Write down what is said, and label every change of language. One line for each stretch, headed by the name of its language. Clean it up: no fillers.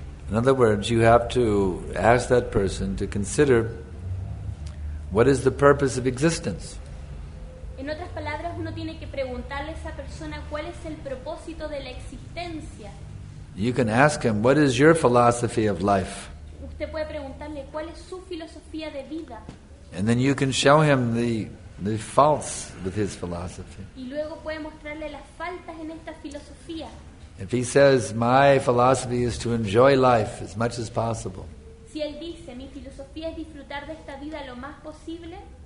English: In other words, you have to ask that person to consider what is the purpose of existence.
Spanish: En otras palabras, uno tiene que preguntarle a esa persona cuál es el propósito de la existencia.
English: You can ask him, what is your philosophy of life?
Spanish: Puede preguntarle cuál es su filosofía de vida.
English: And then you can show him the faults with his philosophy.
Spanish: Y luego puede mostrarle las faltas en esta filosofía.
English: If he says my philosophy is to enjoy life as much as possible.
Spanish: Si él dice mi filosofía es disfrutar de esta vida lo más posible.